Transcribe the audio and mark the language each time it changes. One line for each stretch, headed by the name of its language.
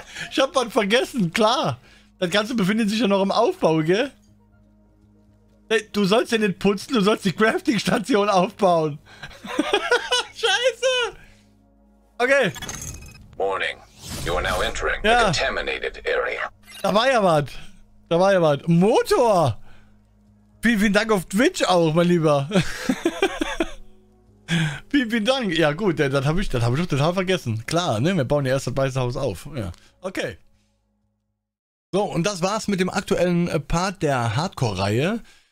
German: Ich hab mal vergessen, klar. Das Ganze befindet sich ja noch im Aufbau, gell? Hey, du sollst ja nicht putzen, du sollst die Crafting-Station aufbauen. Scheiße! Okay.
English: Warning. You are now entering the contaminated area.
German: Da war ja was. Da war ja was. Motor! Vielen Dank auf Twitch auch, mein Lieber. Vielen Dank. Ja gut, das hab ich doch total vergessen. Klar, ne? Wir bauen ja erst das weiße Haus auf. Ja. Okay. So, und das war's mit dem aktuellen Part der Hardcore-Reihe.